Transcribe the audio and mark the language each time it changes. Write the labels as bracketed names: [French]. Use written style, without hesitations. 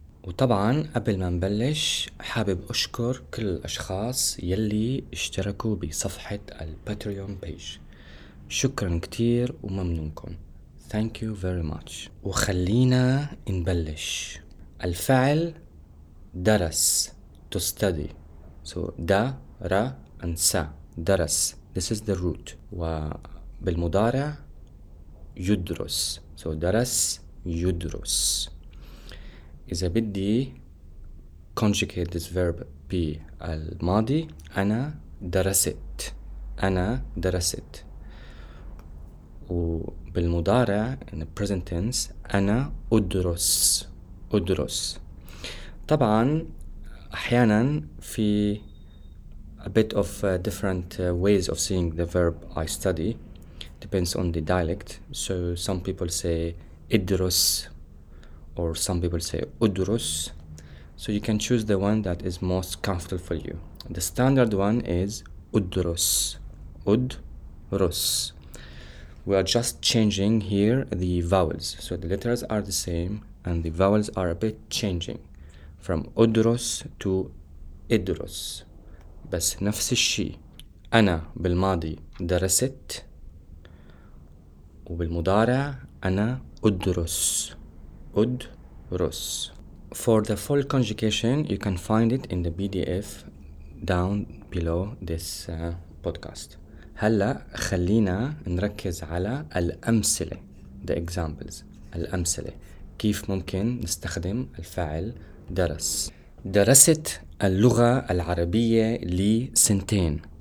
[Arabic] وطبعا قبل ما نبلش حابب أشكر كل الأشخاص يلي اشتركوا بصفحة الباتريون بيج، شكرا كتير وممنونكم، [English] thank you very much. [Arabic] وخلينا نبلش. الفعل درس، [English] to study. So [Arabic] درس، درس، [English] this is the root. [Arabic] وبالمضارع يدرس، so درس يدرس. إذا بدي [English] conjugate this verb [Arabic] بالماضي، أنا درست، أنا درست. وبالمضارع [English] in the present tense [Arabic] أنا أدرس، أدرس. طبعا أحيانا في [English] a bit of different ways of seeing the verb I study. Depends on the dialect. So some people say idrus, or some people say udrus. So you can choose the one that is most comfortable for you. The standard one is udrus, udrus. We are just changing here the vowels. So the letters are the same and the vowels are a bit changing from udrus to idrus. [Arabic] بس نفس الشيء. أنا بالماضي درست، وبالمضارع أنا أدرس، أدرس. [English] For the full conjugation you can find it in the PDF down below this podcast. [Arabic] هلا خلينا نركز على الأمثلة، [English] the examples، [Arabic] الأمثلة كيف ممكن نستخدم الفعل درس. درست اللغة العربية لسنتين.